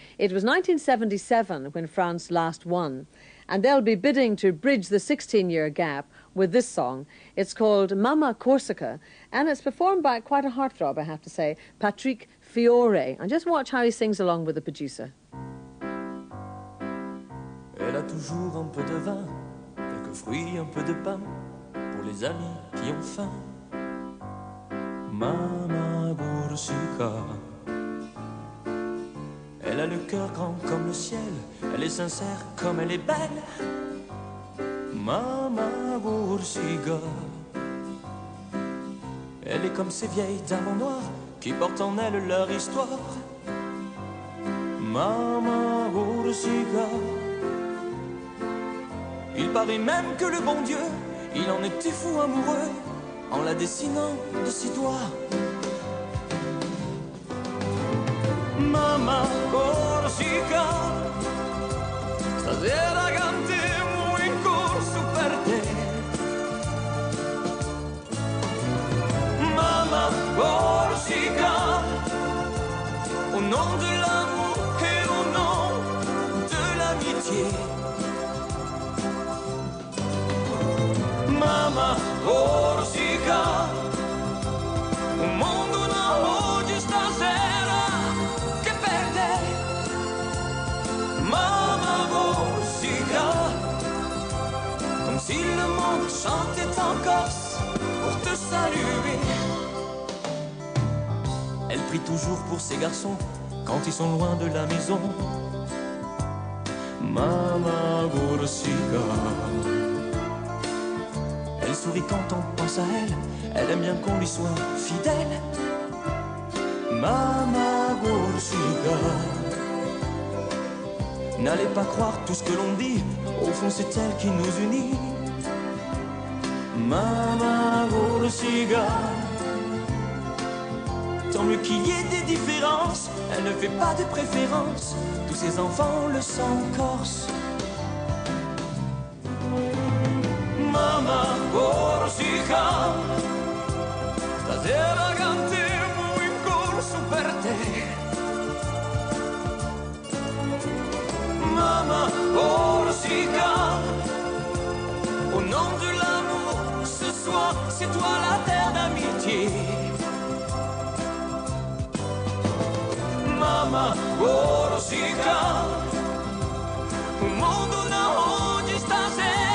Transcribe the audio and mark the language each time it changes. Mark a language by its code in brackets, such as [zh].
[en] It was 1977 when France last won, and they'll be bidding to bridge the 16-year gap with this song. It's called Mama Corsica, and it's performed by quite a heartthrob, I have to say, Patrick Fiore. And just watch how he sings along with the producer. [fr] Elle a toujours un peu de vin, quelques fruits, un peu de pain, pour les amis qui ont faim. Mama Corsica. Elle a le cœur grand comme le ciel, elle est sincère comme elle est belle. Mama Corsica. Elle est comme ces vieilles dames en noir qui portent en elles leur histoire. Mama Corsica. Il paraît même que le bon Dieu, il en était fou amoureux, en la dessinant de ses doigts. [co] Mama Corsica, stasera cantemo in corso per te. [fr] Mama Corsica, au nom de l'amour et au nom de l'amitié. [co] Mama Corsica, un mondo no oggi stasera che perde. [fr] Mama Corsica, comme si le monde chantait en Corse pour te saluer. Elle prie toujours pour ses garçons quand ils sont loin de la maison. Mama Corsica. Elle sourit quand on pense à elle, elle aime bien qu'on lui soit fidèle. Mama Corsica. N'allez pas croire tout ce que l'on dit, au fond c'est elle qui nous unit. Mama Corsica. Tant mieux qu'il y ait des différences, elle ne fait pas de préférence, tous ses enfants le sont en Corse. [co] Mama Corsica, stasera cantemo in corso per te. [fr] Mama Corsica, au nom de l'amour, ce soir c'est toi la terre d'amitié. [co] Mama Corsica, un mondo da oggi stasera.